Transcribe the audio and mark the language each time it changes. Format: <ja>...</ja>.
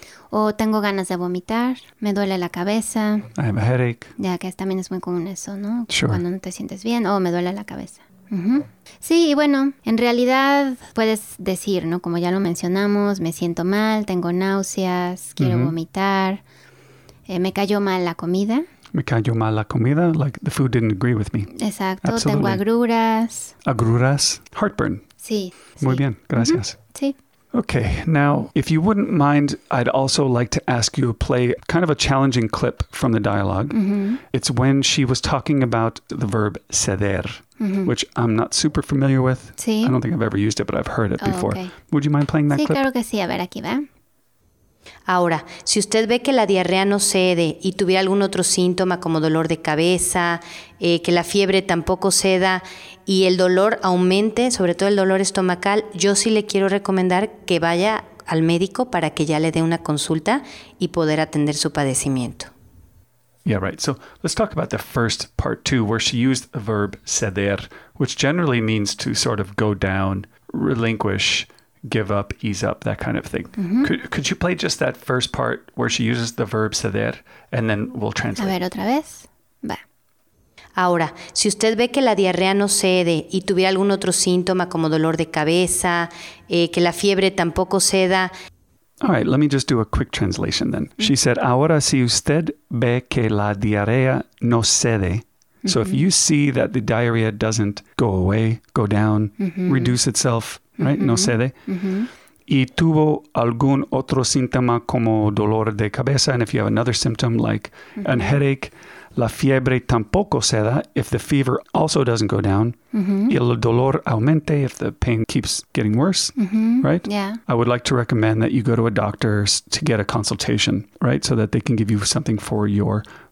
<es>O tengo ganas de vomitar, me duele la cabeza.</es> <en>I have a headache.</en> <es>Ya que también es muy común eso, ¿no?</es> <en>Sure.</en> <es>Cuando no te sientes bien, o me duele la cabeza. Uh-huh. Sí, y bueno, en realidad puedes decir, ¿no? Como ya lo mencionamos, me siento mal, tengo náuseas, quiero mm-hmm. vomitar. Me cayó mal la comida. Me cayó mal la comida,</es> <en>like the food didn't agree with me.</en> <es>Exacto,</es> <en>absolutely.</en> <es>Tengo agruras. Agruras, heartburn. Sí. Muy sí. bien, gracias. Mm-hmm. Sí.</es> <en>Okay, now, if you wouldn't mind, I'd also like to ask you to play kind of a challenging clip from the dialogue. Mm-hmm. It's when she was talking about the verb ceder, mm-hmm. which I'm not super familiar with.</en> <es>Sí.</es> <en>I don't think I've ever used it, but I've heard it oh, before. Okay. Would you mind playing that</en> <es>sí,</es> <en>clip?</en> <es>Sí, claro que sí. A ver, aquí va. Ahora, si usted ve que la diarrea no cede y tuviera algún otro síntoma como dolor de cabeza, que la fiebre tampoco ceda y el dolor aumente, sobre todo el dolor estomacal, yo sí le quiero recomendar que vaya al médico para que ya le dé una consulta y poder atender su padecimiento.</es> <en>Yeah, right. So let's talk about the first part too, where she used the verb ceder, which generally means to sort of go down, relinquish, give up, ease up, that kind of thing. Mm-hmm. Could you play just that first part where she uses the verb ceder and then we'll translate?</en> <es>A ver, otra vez. Va. Ahora, si usted ve que la diarrea no cede y tuviera algún otro síntoma como dolor de cabeza, que la fiebre tampoco ceda.</es> <en>All right, let me just do a quick translation then. Mm-hmm. She said,</en> <es>ahora si usted ve que la diarrea no cede.</es> <en>Mm-hmm. So if you see that the diarrhea doesn't go away, go down, mm-hmm. reduce itself, right? Mm-hmm.</en> <es>No cede. Mm-hmm. Y tuvo algún otro síntoma como dolor de cabeza.</es> <en>And if you have another symptom like mm-hmm. an headache,</en> <es>la fiebre tampoco ceda.</es> <en>If the fever also doesn't go down, mm-hmm.</en> <es>y el dolor aumente,</es> <en>if the pain keeps getting worse, mm-hmm. right? Yeah. I would like to recommend that you go to a doctor to get a consultation, right? So that they can give you something for your</en>